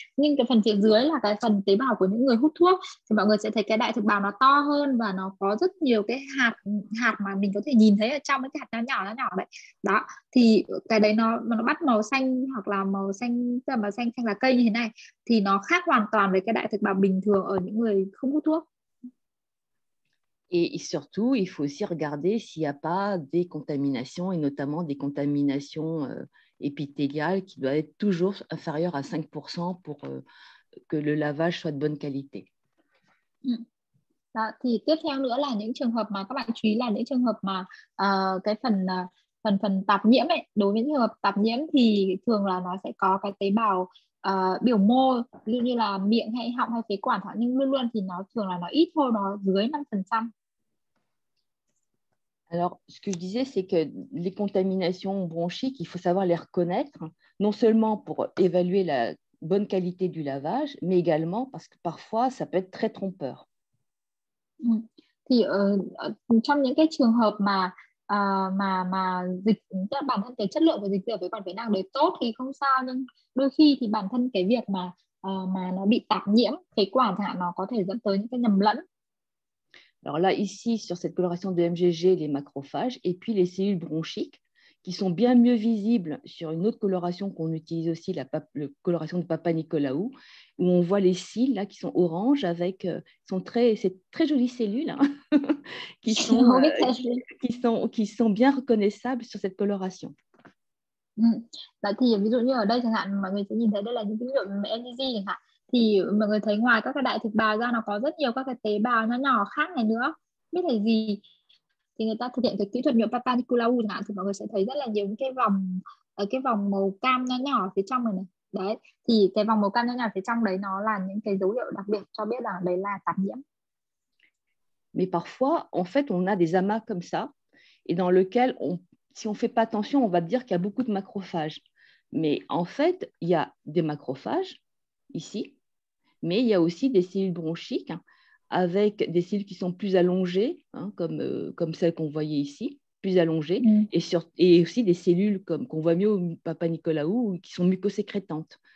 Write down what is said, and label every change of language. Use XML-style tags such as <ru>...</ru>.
<vi>Nhưng cái phần phía dưới là cái phần tế bào của những người hút thuốc. Thì mọi người sẽ thấy cái đại thực bào nó to hơn và nó có rất nhiều cái hạt hạt mà mình có thể nhìn thấy ở trong, cái hạt nhỏ đấy. Đó, thì cái đấy nó bắt màu xanh hoặc là màu xanh, tức là màu xanh xanh là cây như thế này, thì nó khác hoàn toàn với cái đại thực bào bình thường ở những người không hút thuốc.</vi> <fr>Et surtout, il faut aussi regarder s'il n'y a pas des contaminations, et notamment des contaminations épithéliales qui doivent être toujours inférieures à 5% pour que le lavage soit de bonne qualité.</fr> <vi>Đó, thì tiếp theo nữa là những trường hợp mà các bạn chú ý là những trường hợp mà cái phần phần phần tạp nhiễm ấy, đối với những trường hợp tạp nhiễm thì thường là nó sẽ có cái tế bào biểu mô, ví dụ như là miệng hay họng hay phế quản, nhưng luôn luôn thì nó thường là nó ít thôi, nó dưới 5%.</vi> <fr>Alors, ce que je disais, c'est que les contaminations bronchiques, il faut savoir les reconnaître, non seulement pour évaluer la bonne qualité du lavage, mais également parce que parfois, ça peut être très trompeur.</fr> <vi>Thì trong những cái trường hợp mà dịch, tức là bản thân cái chất lượng của dịch rửa với quản phế nào đấy tốt thì không sao, nhưng đôi khi thì bản thân cái việc mà nó bị tạp nhiễm phế quản thì nó có thể dẫn tới những cái nhầm lẫn.</vi> <fr>Alors là ici sur cette coloration de MGG les macrophages et puis les cellules bronchiques qui sont bien mieux visibles sur une autre coloration qu'on utilise aussi, la coloration de Papa Nicolaou, où on voit les cils là qui sont oranges avec ces très jolies cellules hein, qui sont bien reconnaissables sur cette coloration.</fr> <vi>Thì ví dụ như ở đây chẳng hạn, mọi người sẽ nhìn thấy đây là những ví dụ MGG chẳng hạn, thì mọi người thấy ngoài các cái đại thực bào ra nó có rất nhiều các cái tế bào nhỏ khác này nữa, biết là gì, thì người ta thực hiện cái kỹ thuật nhuộm Papa Nicolaou chẳng hạn, thì mọi người sẽ thấy rất là nhiều những cái vòng màu cam nhỏ phía trong này. Đấy, thì cái vòng màu cam nhỏ phía trong đấy nó là những cái dấu hiệu đặc biệt cho biết là đấy là tạp nhiễm.</vi> <fr>Mais parfois, en fait, on a des amas comme ça, et dans lequel, si on ne fait pas attention, on va dire qu'il y a beaucoup de macrophages. Mais en fait, il y a des macrophages, ici, mais il y a aussi des cellules bronchiques, hein, avec des cellules qui sont plus allongées, hein, comme celles qu'on voyait ici, plus allongées, et aussi des cellules qu'on voit mieux au Papa Nicolaou, qui sont mucosécrétantes.</fr>